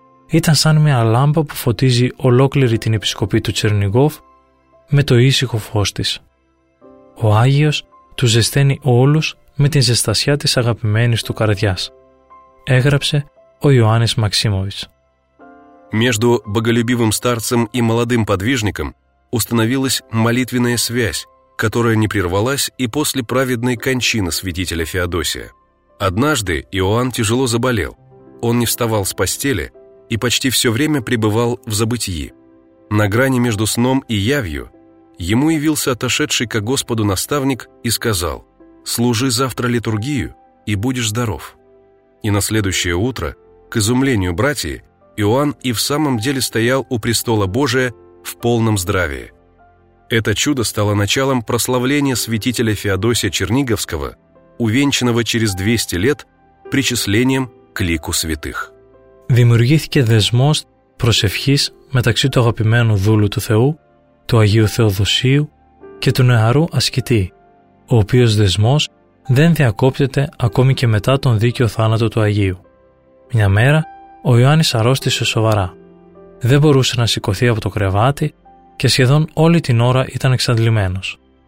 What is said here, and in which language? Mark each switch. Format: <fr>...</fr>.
<el>Ήταν σαν μια λάμπα που φωτίζει ολόκληρη την Επισκοπή του Τσερνίγκοφ με το ήσυχο φως της. Ο Άγιος του ζεσταίνει όλους με την ζεστασιά της αγαπημένης του καρδιάς, έγραψε ο Ιωάννης Μαξίμοβιτς.</el> <ru>Между боголюбивым старцем и молодым подвижником установилась молитвенная связь, которая не прервалась и после праведной кончины святителя Феодосия. Однажды Иоанн тяжело заболел. Он не вставал с постели и почти все время пребывал в забытьи. На грани между сном и явью ему явился отошедший ко Господу наставник и сказал: «Служи завтра литургию и будешь здоров». И на следующее утро, к изумлению братьев, Иоанн и в самом деле стоял у престола Божия в полном здравии. Это чудо стало началом прославления святителя Феодосия Черниговского, увенчанного через 200 лет причислением к лику святых.</ru> <el>Δημιουργήθηκε δεσμός προσευχής μεταξύ του αγαπημένου δούλου του Θεού, του Αγίου Θεοδοσίου και του νεαρού ασκητή, ο οποίος δεσμός δεν διακόπτεται ακόμη και μετά τον δίκαιο θάνατο του Αγίου. Μια μέρα ο Ιωάννης αρρώστησε σοβαρά. Δεν μπορούσε να σηκωθεί από το κρεβάτι και σχεδόν όλη την ώρα ήταν εξαντλημένος.</el>